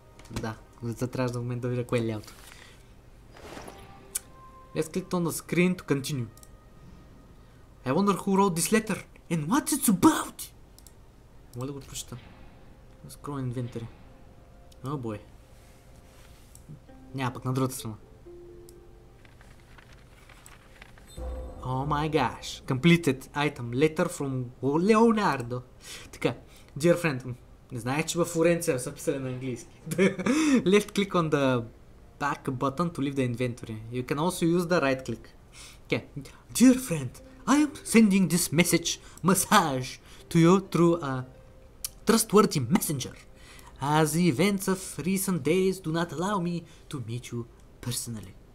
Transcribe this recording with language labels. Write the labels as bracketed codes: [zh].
[bg] Да, трябва в момента да видя кое е лявото. [en] Left click on the screen to continue. I wonder who wrote this letter and what it's about. [bg] Мога да го прочета. [en] Scroll inventory. Oh boy. [bg] Няма пък на другата страна. [en] Oh my gosh. Completed item. Letter from Leonardo. Така. Dear friend, [bg] не знаеш, че във Флоренция са писали на английски. [en] Left click on the back button to leave the inventory. You can also use the right click. Okay. Dear friend, I am sending this message to you through a trustworthy messenger. As the events of recent days do not allow me to meet you personally.